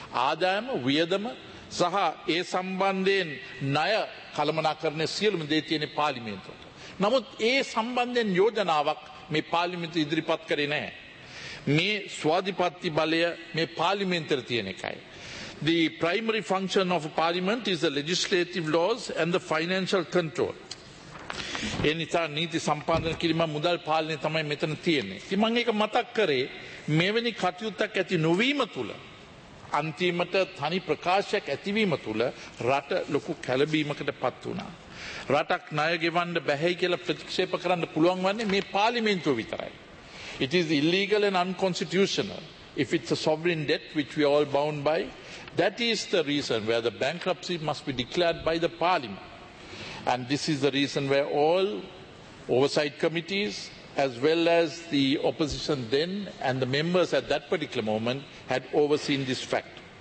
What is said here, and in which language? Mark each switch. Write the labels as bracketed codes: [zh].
[si] ආදායම වියදම සහ ඒ සම්බන්ධයෙන් ණය කළමනාකරණ සියලුම දේ තියෙන්නේ පාර්ලිමේන්තුවට. නමුත් ඒ සම්බන්ධයෙන් යෝජනාවක් මේ පාර්ලිමේන්තුව ඉදිරිපත් කරේ නැහැ. මේ ස්වාධිපත්ති බලය මේ පාර්ලිමේන්තර තියෙන එකයි. [en] The primary function of a parliament is the legislative laws and the financial control. [si] එනිසා නීති සම්පාදනය කිරීම මුදල් පාලනය තමයි මෙතන තියෙන්නේ. ඉතින් මම ඒක මතක් කරේ මෙවැනි කටයුත්තක් ඇති නොවීම තුළ අන්තිමට තනි ප්‍රකාශයක් ඇතිවීම තුළ රට ලොකු කැළඹීමකට පත් වුණා. රටක් ණය ගෙවන්න බැහැයි කියලා ප්‍රතික්ෂේප කරන්න පුළුවන් වන්නේ මේ පාර්ලිමේන්තුව විතරයි. [en] It is illegal and unconstitutional if it's a sovereign debt which we are all bound by. That is the reason where the bankruptcy must be declared by the parliament. And this is the reason where all oversight committees, as well as the opposition then and the members at that particular moment, had overseen this fact.